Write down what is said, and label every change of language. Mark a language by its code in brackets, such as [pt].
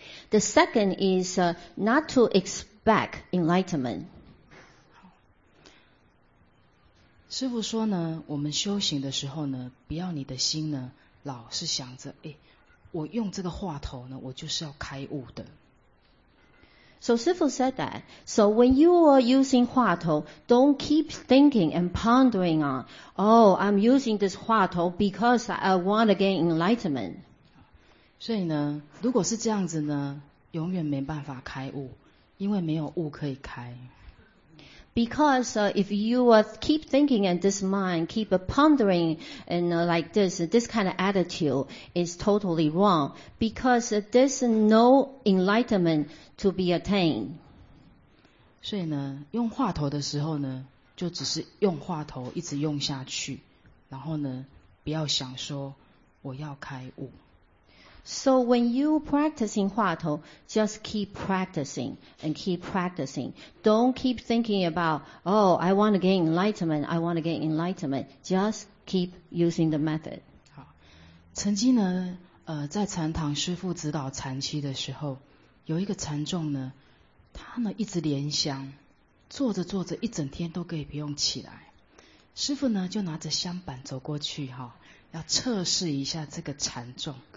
[en] The second is not to expect enlightenment. [zh] 师父说呢，我们修行的时候呢，不要你的心呢老是想着，哎，我用这个话头呢，我就是要开悟的。 [en] So, Sifu said that. So, when you are using 话头, don't keep thinking and pondering on, oh, I'm using this 话头 because I want to gain enlightenment. [zh] 所以呢，如果是这样子呢，永远没办法开悟，因为没有悟可以开。 [en] Because if you keep thinking in this mind, keep pondering and like this, this kind of attitude is totally wrong. Because there's no enlightenment to be attained. [zh] 所以呢，用话头的时候呢，就只是用话头一直用下去，然后呢，不要想说我要开悟。 [en] So when you practicing 话头, just keep practicing and keep practicing. Don't keep thinking about, oh, I want to gain enlightenment, I want to gain enlightenment. Just keep using the method. [zh] 好，曾经呢，在禅堂师父指导禅期的时候，有一个禅众呢，他呢一直莲香，坐着坐着一整天都可以不用起来。师父呢就拿着香板走过去哈，要测试一下这个禅众。